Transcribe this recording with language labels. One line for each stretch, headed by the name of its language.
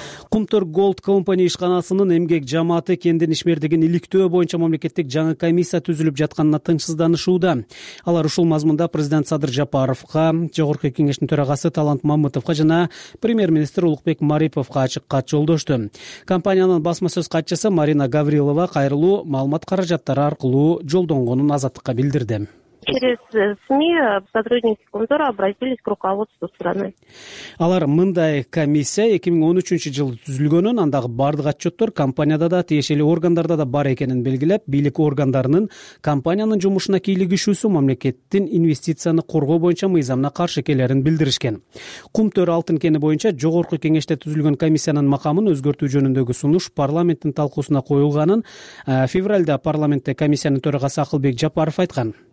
Kyrgyz: Кумтор Gold Company ишканасынын эмгек жамааты кендин ишмердигин иликтөө боюнча мамлекеттик жаңы комиссия түзүлүп жатканына тынчсызданышууда. Алар ушул мазмунда президент Садыр Жапаровго, Жогорку кеңештин төрагасы Талант Мамытовго жана премьер-министр Улукбек Мариповго ачык кат жолдошту. Компаниянын басма сөз катчысы Марина Гаврилова кайрылуу маалымат каражаттары аркылуу жолдонгонун Азаттыкка билдирди.
Russian: Через СМИ сотрудники контора обратились к руководству страны.
Kyrgyz: Алар мындай комиссия 2013-жылы түзүлгөнүн, андагы бардык отчеттор компанияда да, тиешелүү органдарда да бар экенин белгилеп, бийлик органдарынын компаниянын жумушуна кийлигишүүсү мамлекеттин инвестицияны коргоо боюнча мыйзамына каршы экенин билдиришкен. Кумтөр алтын кени боюнча жогорку кеңеште түзүлгөн комиссиянын макамын өзгөртүү жөнүндөгү сунуш парламенттин талкуусуна коюлганын февралда парламентте комиссиянын төрагасы Акылбек Жапаров айткан.